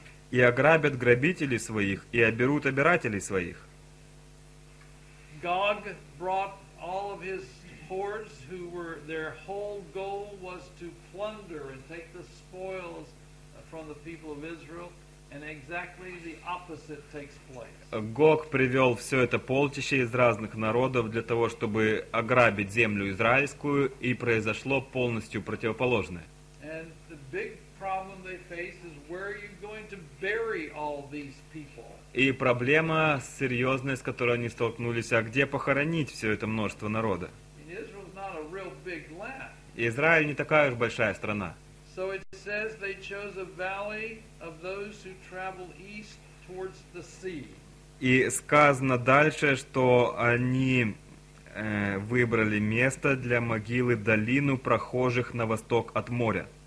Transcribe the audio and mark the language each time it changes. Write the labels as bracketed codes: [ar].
[ru] И ограбят грабителей своих, и оберут обирателей своих. [en] Гог brought all of his hordes, who were their whole goal was to plunder and take the spoils from the people of Israel, and exactly the opposite takes place. [ru] Гог привел все это полчище из разных народов для того, чтобы ограбить землю израильскую, и произошло полностью противоположное. [en] And the big problem they face is where are you going to bury all these people? [ru] И проблема серьезная, с которой они столкнулись, а где похоронить все это множество народа? [en] Israel's not a real big land. [ru] Израиль не такая уж большая страна. [en] So it says they chose a valley of those who travel east towards the sea. [ru] И сказано дальше, что они выбрали место для могилы, долину прохожих на восток от моря.